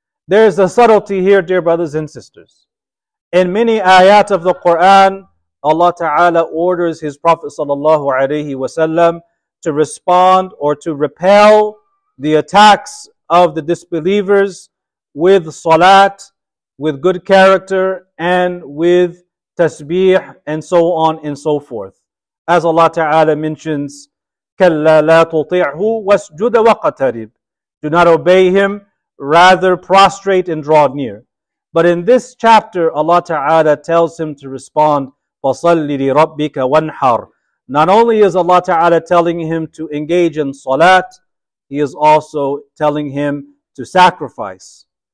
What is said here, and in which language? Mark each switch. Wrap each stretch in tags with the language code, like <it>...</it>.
<en>There is a subtlety here, dear brothers and sisters. In many ayat of the Quran, Allah Ta'ala orders His Prophet sallallahu alayhi wa sallam to respond or to repel the attacks of the disbelievers with salat, with good character, and with tasbih, and so on and so forth. As Allah Ta'ala mentions,</en> <ar>كَلَّا لَا تُطِعْهُ وَاسْجُدَ وَقَتَرِبْ.</ar> <en>Do not obey him, rather prostrate and draw near. But in this chapter, Allah Ta'ala tells him to respond,</en> <ar>فَصَلِّ لِرَبِّكَ وَانْحَرْ.</ar> <en>Not only is Allah Ta'ala telling him to engage in salat, He is also telling him to sacrifice.</en>